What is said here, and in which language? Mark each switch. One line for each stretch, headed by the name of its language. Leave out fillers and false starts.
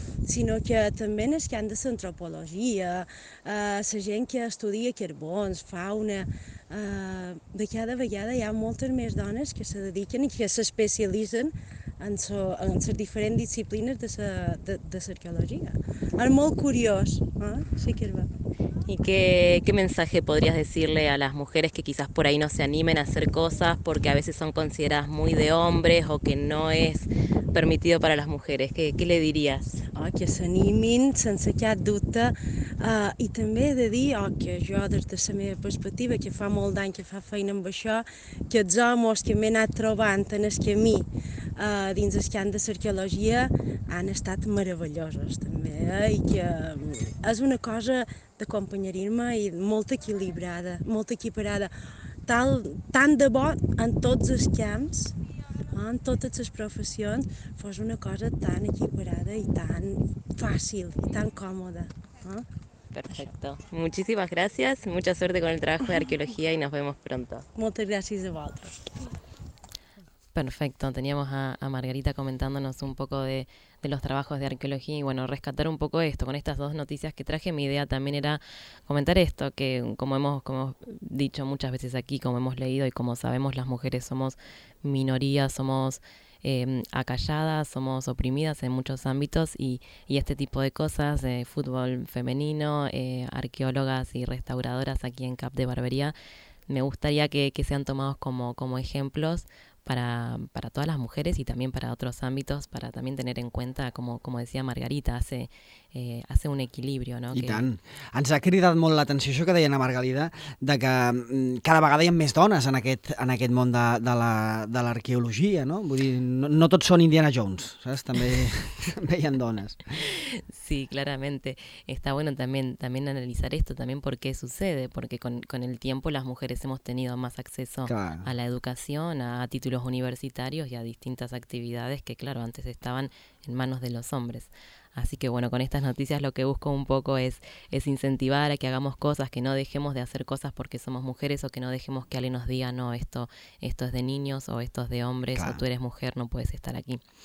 Catalan: Sinó que també en els camps de l'antropologia, la gent que estudia carbons, fauna, de cada vegada hi ha moltes més dones que se dediquen i que s'especialitzen en les diferents disciplines de l'arqueologia. És molt curiós, eh? Sí que és bo.
Spanish: ¿Y qué mensaje podrías decirle a las mujeres que quizás por ahí no se animen a hacer cosas porque a veces son consideradas muy de hombres o que no es permitido para las mujeres? ¿Qué le dirías?
Catalan: Oh, que s'animin sense cap dubte, i també he de dir, oh, que jo des de la meva perspectiva, que fa molt d'any que fa feina amb això, que els homes que m'he anat trobant en el camí dins el camp de l'arqueologia han estat meravellosos també, i que és una cosa d'acompanyar-me i molt equilibrada, molt equiparada, tant de bo en tots els camps, en totes les professions, fos una cosa tan equiparada i tan fàcil i tan còmoda.
Spanish: Perfecto. Muchísimas gracias. Mucha suerte con el trabajo de arqueología y nos vemos pronto.
Catalan: Moltes gràcies a vosaltres.
Spanish: Perfecto. Teníamos a Margarita comentándonos un poco de los trabajos de arqueología y bueno, rescatar un poco esto. Con estas dos noticias que traje, mi idea también era comentar esto, que como hemos dicho muchas veces aquí, como hemos leído y como sabemos, las mujeres somos minorías, somos acalladas, somos oprimidas en muchos ámbitos y este tipo de cosas, fútbol femenino, arqueólogas y restauradoras aquí en Cap de Barbería, me gustaría que sean tomados como ejemplos para todas las mujeres y también para otros ámbitos, para también tener en cuenta, como decía Margarita, hace un equilibrio, ¿no?
Catalan: I tant. Ens ha cridat molt l'atenció això que deia la Margalida, de que cada vegada hi ha més dones en aquest món de l'arqueologia, no? Vull dir, no tots són Indiana Jones, saps? També hi ha dones.
Spanish: Sí, claramente. Está bueno también analizar esto, también por qué sucede, porque con el tiempo las mujeres hemos tenido más acceso Claro. a la educación, a títulos universitarios y a distintas actividades que, claro, antes estaban en manos de los hombres. Así que bueno, con estas noticias lo que busco un poco es incentivar a que hagamos cosas, que no dejemos de hacer cosas porque somos mujeres o que no dejemos que alguien nos diga, no, esto es de niños o esto es de hombres o tú eres mujer, no puedes estar aquí.